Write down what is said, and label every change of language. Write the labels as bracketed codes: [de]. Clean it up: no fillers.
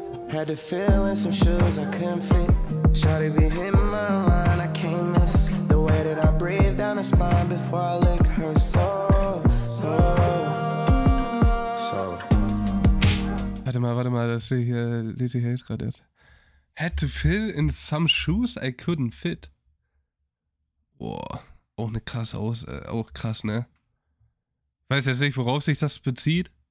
[en] Had to fill in some shoes I couldn't fit. Shawty be hitting my line, I can't miss. The way that I breathe down her spine before I lick her soul. [de] So, so. Warte mal, das sehe ich hier, lese ich jetzt gerade erst. [en] Had to fill in some shoes I couldn't fit. [de] Boah, auch eine krasse auch krass, ne? Weiß jetzt nicht, worauf sich das bezieht.